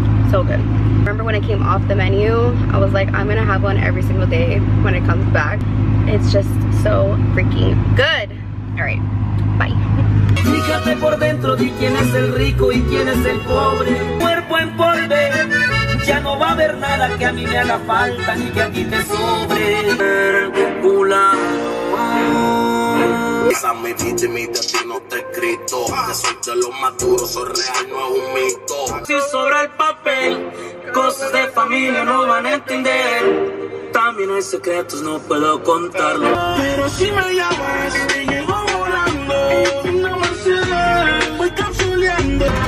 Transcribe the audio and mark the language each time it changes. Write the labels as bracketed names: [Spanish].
[English] So good. Remember when it came off the menu, I was like, I'm gonna have one every single day when it comes back. It's just so freaking good. All right, bye. [Spanish] Fíjate por dentro de quién es el rico y quién es el pobre. Cuerpo en polvo. Ya no va a haber nada que a mí me haga falta ni que a ti te sobre. El popular. [English] Sammy teaching me that you know the grito. [Spanish] Que soy de los más duros, soy real, no es un mito. Si sobra el papel, cosas de familia no van a entender. También hay secretos, no puedo contarlo. Pero si me llamas, me llego volando. No me cedo, voy capsuleando.